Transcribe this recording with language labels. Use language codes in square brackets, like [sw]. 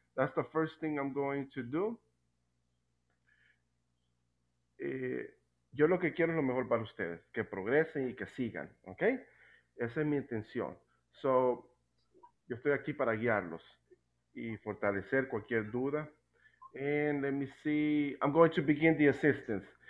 [en] That's the first thing I'm going to do. [es] Yo lo que quiero es lo mejor para ustedes, que progresen y que sigan. Okay? Esa es mi intención. So, yo estoy aquí para guiarlos y fortalecer cualquier duda. [en] And let me see, I'm going to begin the assistance.